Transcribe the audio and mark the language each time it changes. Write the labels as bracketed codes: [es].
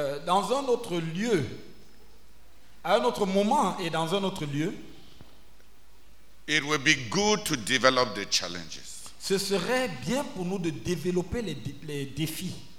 [fr] Dans un autre lieu, à un autre moment et dans un autre lieu, [en] it will be good to develop the challenges. [fr] Ce serait bien pour nous de développer les défis.